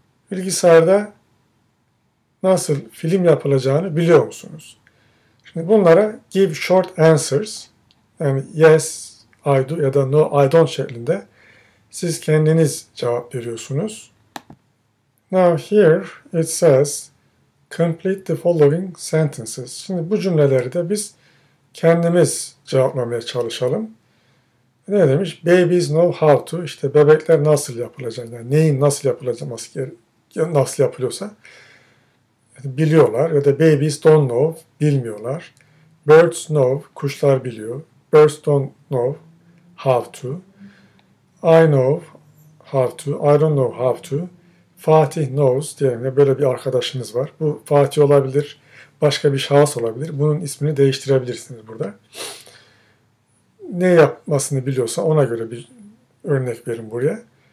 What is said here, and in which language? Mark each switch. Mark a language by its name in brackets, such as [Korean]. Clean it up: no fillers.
[Turkish] Bilgisayarda nasıl film yapılacağını biliyor musunuz? Şimdi bunlara [English] give short answers, [Turkish] yani [English] yes I do [Turkish] ya da [English] no I don't [Turkish] şeklinde siz kendiniz cevap veriyorsunuz. [English] Now here it says complete the following sentences. [Turkish] Şimdi bu cümleleri de biz kendimiz cevaplamaya çalışalım. Ne demiş? [English] Babies know how to, [Turkish] işte bebekler nasıl yapılacak, yani neyin nasıl yapılacak, nasıl yapılıyorsa biliyorlar. Ya da [English] babies don't know, [Turkish] bilmiyorlar. [English] Birds know, [Turkish] kuşlar biliyor. [English] Birds don't know how to. I know how to, I don't know how to. Fatih knows, [Turkish] diyelim ya böyle bir arkadaşınız var. Bu Fatih olabilir, başka bir şahıs olabilir. Bunun ismini değiştirebilirsiniz burada. Ne yapmasını biliyorsa ona göre bir örnek verin buraya.